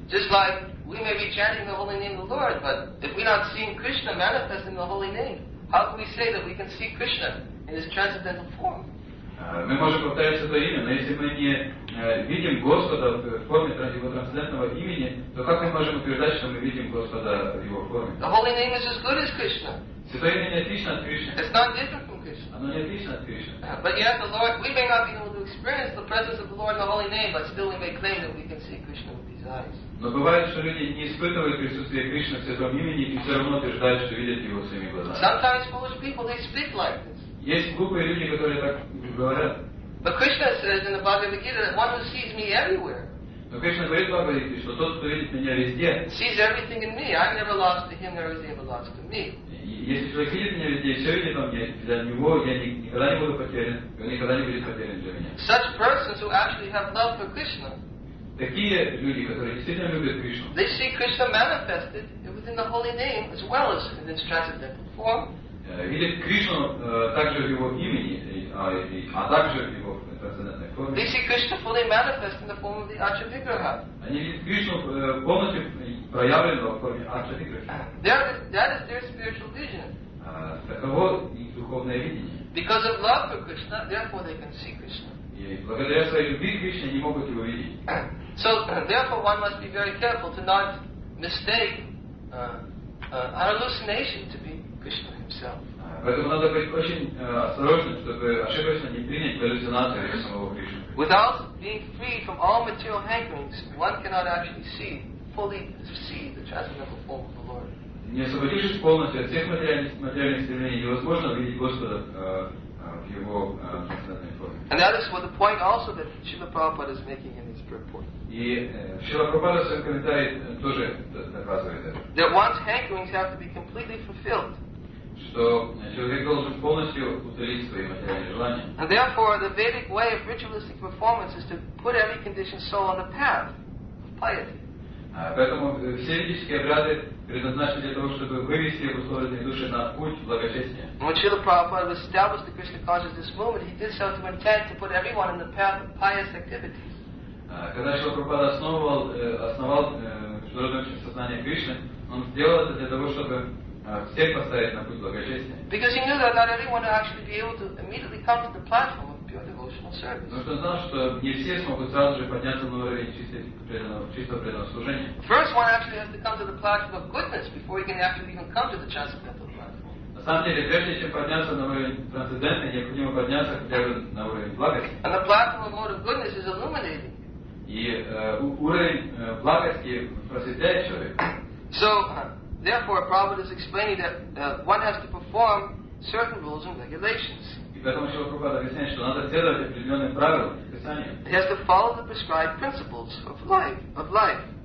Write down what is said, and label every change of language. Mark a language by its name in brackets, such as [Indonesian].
[English] Just like we may be chanting the holy name of the Lord, but if we're not seeing Krishna manifest in the holy name, how can we say that we can see Krishna in his transcendental form? [Russian] Мы можем повторять это имя, но если мы не видим Господа в форме его трансцендентного имени, то как мы можем утверждать, что мы видим Господа в его форме? [English] The holy name is as good as Krishna. [Russian] Святое имя не отлично от Кришны. [English] It's not different from Krishna. [Russian] Оно не отлично от Кришны. [English] But yet the Lord, we may not be able to experience the presence of the Lord in the holy name, but still we may claim that we can see Krishna with these eyes. [Russian] Но бывает, что люди не испытывают присутствие Кришны в Святом имени и все равно утверждают, что видят его своими глазами. [English] Sometimes foolish people, they speak like this. [Russian] Есть глупые люди, которые так говорят. [English] But Krishna says in the Bhagavad Gita that one who sees me everywhere. [Russian] Но Кришна говорит в Бхагавад Гите, что тот, кто видит меня везде. [English] Sees everything in me. I'm never lost to him, nor is he ever lost to me. [Russian] Если человек видит меня везде, все видит во мне, для него я никогда не буду потерян, он никогда не будет потерян для меня. [English] Such persons who actually have love for Krishna. [Russian] Такие люди, которые действительно любят Кришну. [English] They see Krishna manifested within the holy name as well as in its transcendental form. [Russian] Видит Кришну также в его имени, а также в его трансцендентной форме. [English] They see Krishna fully manifest in the form of the Acharya-vigraha. [Russian] Они видят Кришну полностью проявленного в форме Acharya-vigraha. [English] That is their spiritual vision. [Russian] Таково их духовное видение. [English] Because of love for Krishna, therefore they can see Krishna. [Russian] И благодаря своей любви к Кришне они могут его видеть. [English] So therefore one must be very careful to not mistake an hallucination to be Krishna. [Russian] Поэтому надо быть очень осторожным, чтобы ошибочно не принять галлюцинацию самого Кришны. [English] Without being free from all material hankerings, one cannot actually fully see the transcendental form of the Lord. [Russian] Не освободившись полностью от всех материальных стремлений, невозможно видеть Господа в его трансцендентной форме. [English] And that is what the point also that Srila Prabhupada is making in his purport. [Russian] И Шрила Прабхупада в своем комментарии тоже доказывает это. [English] That one's hankerings have to be completely fulfilled. [Russian] Что человек должен полностью утолить свои материальные желания. [English] And therefore, the Vedic way of ritualistic performance is to put every conditioned soul on the path of piety. [Russian] Поэтому все ведические обряды предназначены для того, чтобы вывести обусловленные души на путь благочестия. [English] And when Srila Prabhupada established the Krishna consciousness movement, he did so to intend to put everyone in the path of pious activities. [Russian] Когда Шрила Прабхупада основал международное общество сознания Кришны, он сделал это для того, чтобы всех поставить на путь благочестия. [English] Because he knew that not everyone would actually be able to immediately come to the platform of pure devotional service. [Russian] Потому что он знал, что не все смогут сразу же подняться на уровень чистого преданного служения. [English] First one actually has to come to the platform of goodness before he can actually even come to the transcendental platform. [Russian] На самом деле, прежде чем подняться на уровень трансцендентный, необходимо подняться хотя бы на уровень благости. [English] And the platform of mode of goodness is illuminating. [Russian] И уровень благости просветляет человека. [English] So, therefore, Prabhupada is explaining that one has to perform certain rules and regulations. He has to follow the prescribed principles of life.